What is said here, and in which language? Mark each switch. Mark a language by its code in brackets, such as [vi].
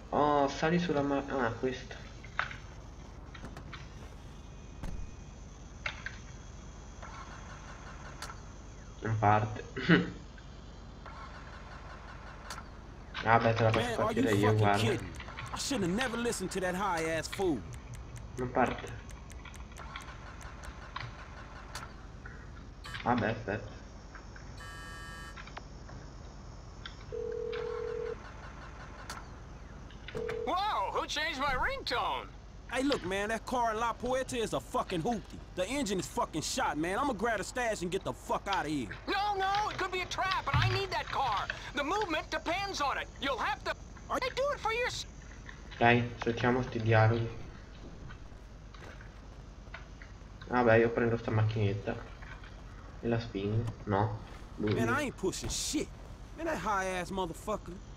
[it] Oh, sali sulla macchina... Ah, questa. Non parte. Ah beh, te la posso partire io, guarda. [en] I should have never listened to that high ass fool. [it] Non parte. Vabbè, aspetta. [en] Who changed my ringtone? Hey, look, man, that car in La Puerta is a fucking hoopty. The engine is fucking shot, man. I'm gonna grab a stash and get the fuck out of here. No, no, it could be a trap, and I need that car. The movement depends on it. You'll have to... Are they doing for your... [it] Dai, cerchiamo sti dialoghi. Vabbè, io prendo sta macchinetta. E la spingo. No. Lui. [en] Man, I ain't pushing shit. Man, that high-ass motherfucker.